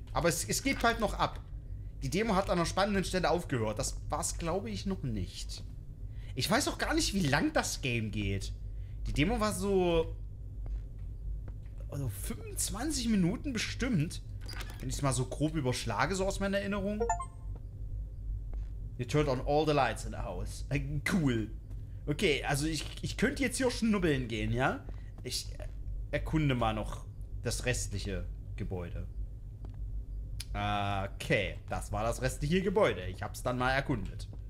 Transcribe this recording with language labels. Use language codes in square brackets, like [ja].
[de] Aber es geht halt noch ab. Die Demo hat an einer spannenden Stelle aufgehört. Das war's, glaube ich, noch nicht. Ich weiß auch gar nicht, wie lang das Game geht. Die Demo war so. Also 25 Minuten bestimmt. Wenn ich es mal so grob überschlage, so aus meiner Erinnerung. [en] You turned on all the lights in the house. Cool. [de] Okay, also ich könnte jetzt hier schnubbeln gehen, ja? Ich erkunde mal noch das restliche Gebäude. Okay, das war das restliche Gebäude. Ich hab's dann mal erkundet.